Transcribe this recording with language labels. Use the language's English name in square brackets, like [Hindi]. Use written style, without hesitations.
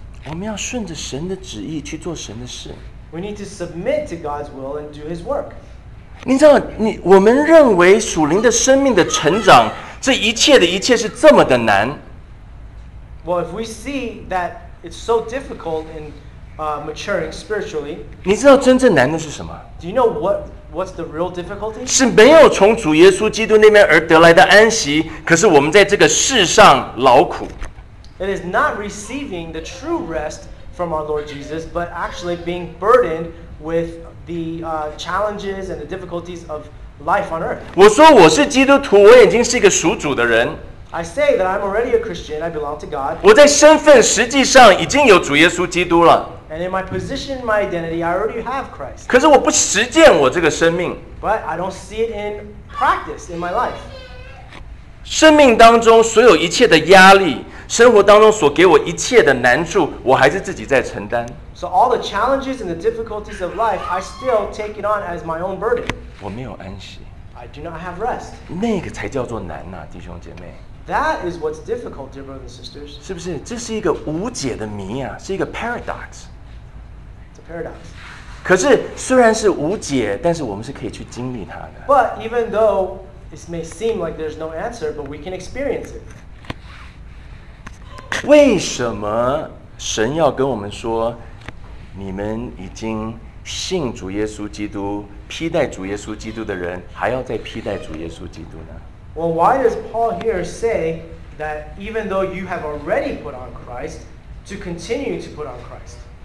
[Chinese] 我们要顺着神的旨意去做神的事。 [English] We need to submit to God's will and do His work. [Chinese] 你知道，我们认为属灵的生命的成长，这一切的一切是这么的难。 [English] Well, if we see that it's so difficult in maturing spiritually, [Chinese] 你知道真正难的是什么？ [English] Do you know what's the real difficulty? [Chinese] 是没有从主耶稣基督那边而得来的安息，可是我们在这个世上劳苦。 [English] It is not receiving the true rest from our Lord Jesus, but actually being burdened with the challenges and the difficulties of life on earth. [Chinese] 我说我是基督徒，我已经是一个属主的人。 [English] I say that I'm already a Christian, I belong to God. [Chinese] 我在身份实际上已经有主耶稣基督了。 [English] And in my position, my identity, I already have Christ. [Chinese] 可是我不实践我这个生命。 [English] But I don't see it in practice in my life. [Chinese] 生命当中所有一切的压力，生活当中所给我一切的难处，我还是自己在承担。 [English] So all the challenges and the difficulties of life, I still take it on as my own burden. [Chinese] 我没有安息。 [English] I do not have rest. [Chinese] 那个才叫做难啊，弟兄姐妹。 [English] That is what's difficult, dear brothers and sisters. [Chinese] 是不是？这是一个无解的谜啊，是一个 paradox. [English] It's a paradox. [Chinese] 可是虽然是无解，但是我们是可以去经历它的。 [English] But even though it may seem like there's no answer, but we can experience it. [Chinese] 为什么神要跟我们说，你们已经信主耶稣基督、披戴主耶稣基督的人，还要再披戴主耶稣基督呢？ [English] Well, why does Paul here say that even though you have already put on Christ, to continue to put on Christ?